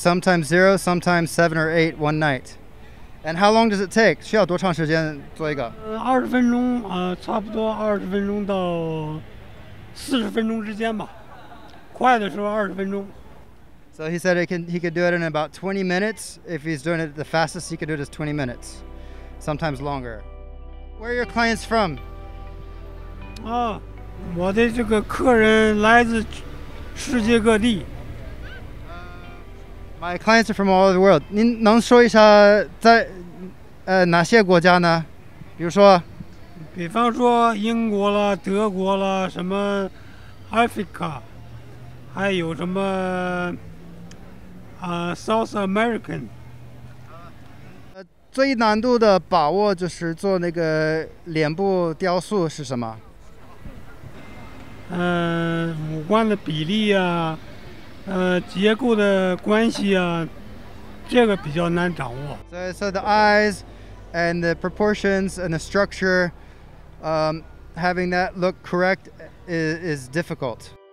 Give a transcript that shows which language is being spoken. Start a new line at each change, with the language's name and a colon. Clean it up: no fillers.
English: Sometimes zero, sometimes seven or eight one night. And how long does it take?
Chinese: 需要多长时间做一个？ 20分钟，差不多20分钟到40分钟之间吧。快的时候20分钟。
English: So he said he could do it in about 20 minutes. If he's doing it the fastest, he could do it in 20 minutes, sometimes longer. Where are your clients from?
Chinese: 我的这个客人来自世界各地。
English: My clients are from all over the world.
Chinese: 您能说一下在哪些国家呢？比如说，比方说英国了、德国了、什么 Africa， 还有什么？
English: South American。
Chinese: 最难度的把握就是做那个脸部雕塑是什么？五官的比例啊，结构的关系啊，这个比较难掌握。
English: So the eyes and the proportions and the structure, having that look correct is difficult.